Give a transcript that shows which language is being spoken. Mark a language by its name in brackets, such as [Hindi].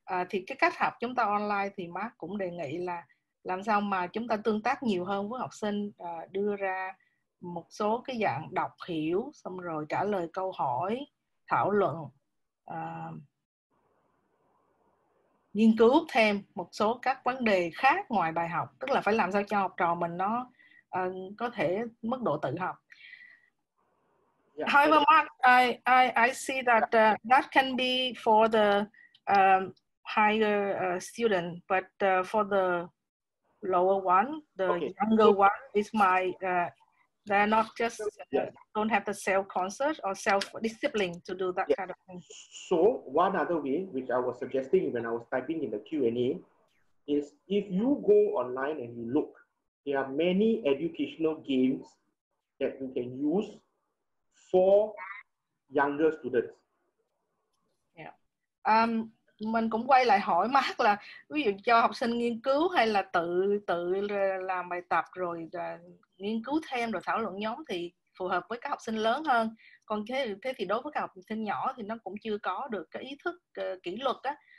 [Vietnamese] Thì cái cách học chúng ta online thì Mark cũng đề nghị là làm sao mà chúng ta tương tác nhiều hơn với học sinh, đưa ra một số cái dạng đọc hiểu, xong rồi trả lời câu hỏi, thảo luận. nghiên cứu thêm một số các vấn đề khác ngoài bài học, tức là phải làm sao cho học trò mình nó có thể mức độ tự học. [English] Yeah. However, Mark, I see that that can be for the higher student, but for the lower one, the younger one, is my they're not just don't have the self-concept or self-discipline to do that kind of thing. So one other way, which I was suggesting when I was typing in the Q&A, is if you go online and you look, there are many educational games that you can use for younger students. [Vietnamese] Mình cũng quay lại hỏi Mark là ví dụ cho học sinh nghiên cứu hay là tự tự làm bài tập rồi nghiên cứu thêm rồi thảo luận nhóm thì phù hợp với các học sinh lớn hơn. Còn thế thì đối với các học sinh nhỏ thì nó cũng chưa có được cái ý thức kỷ luật á.